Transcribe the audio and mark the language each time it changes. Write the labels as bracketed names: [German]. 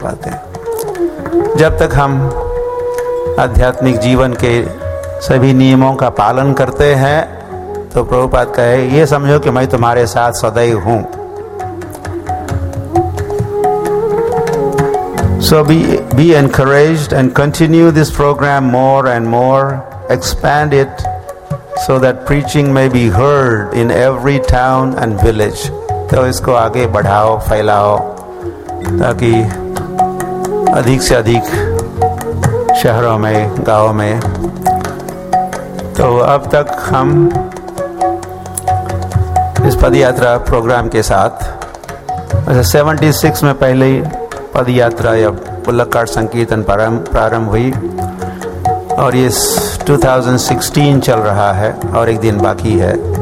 [Hindi] जब तक हम आध्यात्मिक जीवन के सभी नियमों का पालन करते हैं तो प्रभुपाद कहे ये समझो कि मैं तुम्हारे साथ सदैव हूं [English] So be encouraged and continue this program more and more. Expand it. So that preaching may be heard in every town and village. [Hindi] तो इसको आगे बढ़ाओ फैलाओ ताकि अधिक से अधिक शहरों में गांवों में. तो अब तक हम इस पदयात्रा प्रोग्राम के साथ 76 में पहले पदयात्रा या पुलकार संकीर्तन प्रारंभ हुई और ये 2016 चल रहा है और एक दिन बाकी है.